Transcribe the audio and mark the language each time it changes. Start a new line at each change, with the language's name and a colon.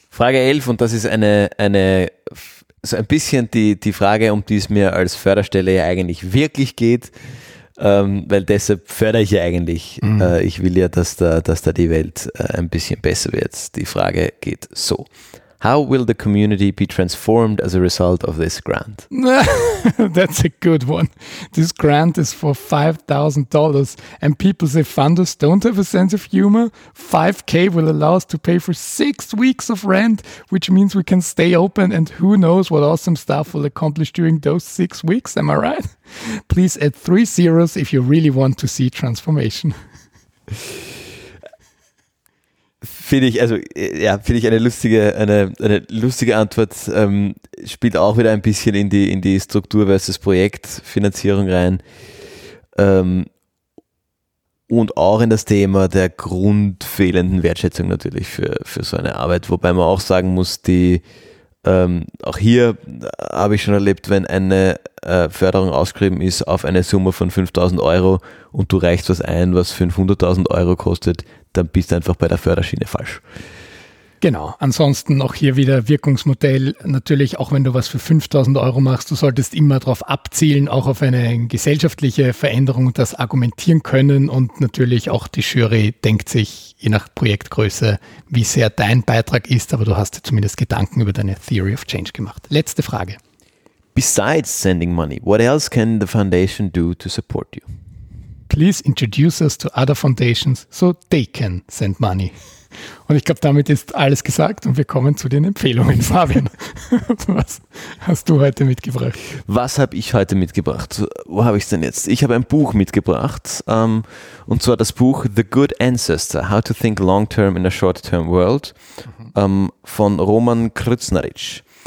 German: Frage 11, und das ist eine so ein bisschen die Frage, um die es mir als Förderstelle ja eigentlich wirklich geht, weil deshalb fördere ich ja eigentlich. Mhm. Ich will ja, dass da die Welt ein bisschen besser wird. Die Frage geht so.
English: How will the community be transformed as a result of this grant? That's a good one. This grant is for $5,000 and people say funders don't have a sense of humor. 5K will allow us to pay for 6 weeks of rent, which means we can stay open and who knows what awesome stuff we'll accomplish during those 6 weeks. Am I right? Please add 3 zeros if you really want to see transformation.
German: Finde ich, also ja, finde ich eine lustige Antwort. Spielt auch wieder ein bisschen in die Struktur versus Projektfinanzierung rein. Und auch in das Thema der grundfehlenden Wertschätzung natürlich für so eine Arbeit, wobei man auch sagen muss, die auch hier habe ich schon erlebt, wenn eine Förderung ausgeschrieben ist auf eine Summe von 5.000 Euro und du reichst was ein, was 500.000 Euro kostet, dann bist du einfach bei der Förderschiene falsch. Genau. Ansonsten auch hier wieder Wirkungsmodell. Natürlich, auch wenn du was für 5.000 Euro machst, du solltest immer darauf abzielen, auch auf eine gesellschaftliche Veränderung das argumentieren können. Und natürlich auch die Jury denkt sich, je nach Projektgröße, wie sehr dein Beitrag ist. Aber du hast dir zumindest Gedanken über deine Theory of Change gemacht. Letzte Frage.
English: Besides sending money, what else can the foundation do to support you? Please introduce us to other foundations so they can send money.
German: Und ich glaube, damit ist alles gesagt und wir kommen zu den Empfehlungen. Fabian, was hast du heute mitgebracht? Was habe ich heute mitgebracht? Wo habe ich es denn jetzt? Ich habe ein Buch mitgebracht und zwar das Buch The Good Ancestor, How to Think Long-Term in a Short-Term World von Roman Krznaric.